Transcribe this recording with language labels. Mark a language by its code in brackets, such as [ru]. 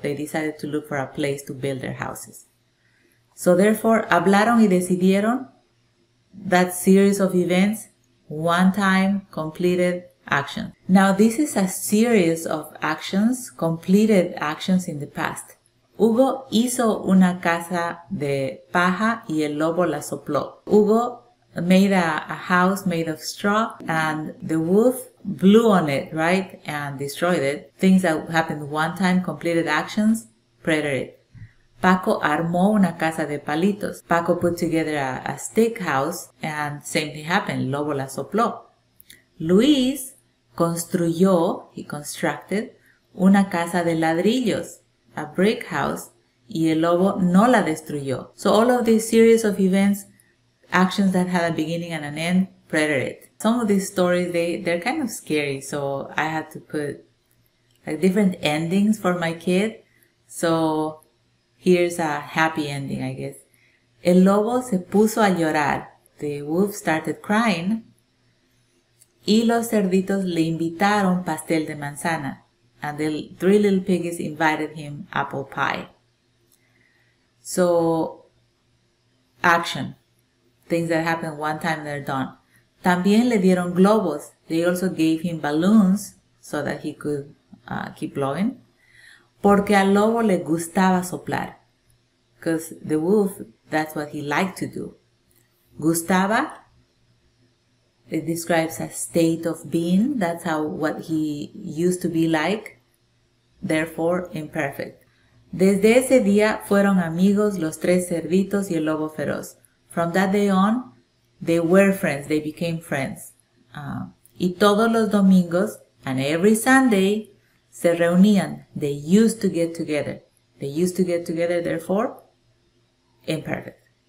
[en] They decided to look for a place to build their houses. So therefore, [es] hablaron y decidieron, [en] that series of events, one time, completed action. Now, this is a series of actions, completed actions in the past. [es] Hugo hizo una casa de paja y el lobo la sopló. [en] Hugo made a house made of straw and the wolf blew on it, right? And destroyed it. Things that happened one time, completed actions, preterite. [es] Paco armó una casa de palitos. [en] Paco put together a stick house and same thing happened. [es] Lobo la sopló. Luis construyó, [en] he constructed, [es] una casa de ladrillos, [en] a brick house, [es] y el lobo no la destruyó. [en] So all of these series of events, actions that had a beginning and an end, preterite. Some of these stories, they're kind of scary, so I had to put like different endings for my kid. So here's a happy ending, I guess. [es] El lobo se puso a llorar. [en] The wolf started crying. [es] Y los cerditos le invitaron pastel de manzana. [en] And the three little piggies invited him apple pie. So, action. Things that happen one time, they're done. [es] También le dieron globos. [en] They also gave him balloons so that he could keep blowing. [es] Porque al lobo le gustaba soplar. [en] Because the wolf, that's what he liked to do. Gustaba, it describes a state of being. That's how what he used to be like. Therefore, imperfect. [es] Desde ese día fueron amigos los tres cerditos y el lobo feroz. [en] From that day on, they were friends. They became friends. [es] Y todos los domingos [en] and every Sunday [es] se reunían. [en] They used to get together. They used to get together, therefore, imperfect.